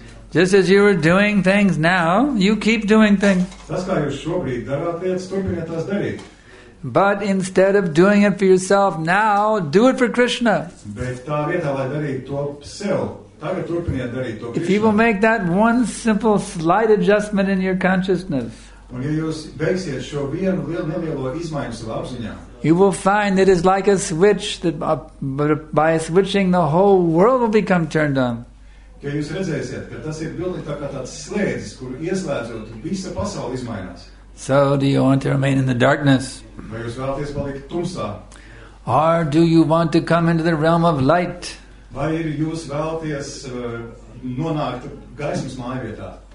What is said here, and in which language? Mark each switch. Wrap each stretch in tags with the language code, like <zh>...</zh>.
<en>Just as you are doing things now, you keep doing things.</en> <lv>Tas, kā jūs šobrīd darāt lietas, turpiniet tās darīt.</lv> <en>But instead of doing it for yourself now, do it for Krishna.</en> <lv>Bet tā vietā, lai darīt to sev, tagad turpiniet darīt to Krishna.</lv> <en>If you will make that one simple slight adjustment in your consciousness,</en> <lv>un ja jūs veiksiet šo vienu lielu nevielo izmaiņu savā apziņā,</lv> <en>you will find it is like a switch, that by switching the whole world will become turned on.</en> <lv>Ja jūs redzēsiet, ka tas ir pilnīgi tā kā tāds slēdzis, kur ieslēdzot, visa pasaule izmainās.</lv> <en>So, do you want to remain in the darkness?</en> <lv>Vai jūs vēlaties palikt tumsā?</lv> <en>Or do you want to come into the realm of light?</en> <lv>Vai jūs vēlaties nonākt gaismas mājvietā?</lv>